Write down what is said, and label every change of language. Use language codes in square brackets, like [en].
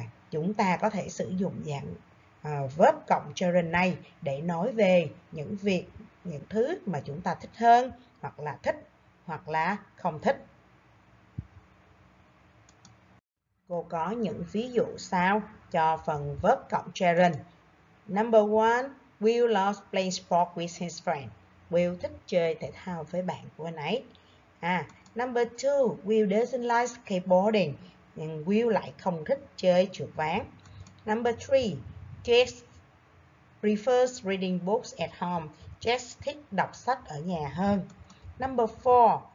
[vi] Chúng ta có thể sử dụng dạng verb cộng gerund này để nói về những việc, những thứ mà chúng ta thích hơn, hoặc là thích, hoặc là không thích. Cô có những ví dụ sau cho phần verb cộng gerund. [en] Number one, Will loves playing sport with his friend. [vi] Will thích chơi thể thao với bạn của anh ấy. [en] Number two, Will doesn't like skateboarding. [vi] Nhưng Will lại không thích chơi trượt ván. [en] Number three, Jess prefers reading books at home. [vi] Jess thích đọc sách ở nhà hơn. [en] Number 4.